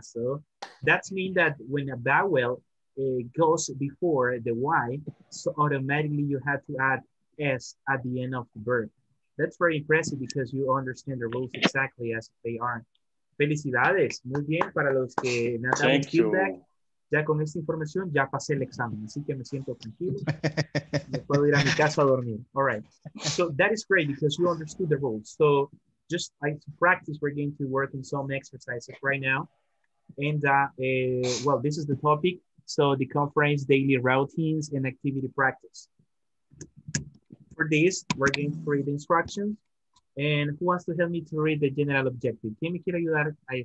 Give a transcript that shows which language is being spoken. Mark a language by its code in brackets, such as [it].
[en] So that means that when a vowel goes before the Y, so automatically you have to add S at the end of the verb. That's very impressive because you understand the rules exactly as they are. [es] Felicidades. Muy bien. Para los que me han dado feedback, ya con esta información ya pasé el examen. Así que me siento tranquilo. Me puedo ir a mi casa a dormir. [en] All right. So that is great because you understood the rules. So just like to practice, we're going to work in some exercises right now. And well, this is the topic. So the conference, daily routines and activity practice. For this, we're going to read the instructions. And who wants to help me to read the general objective? [es] ¿Quién me quiere ayudar?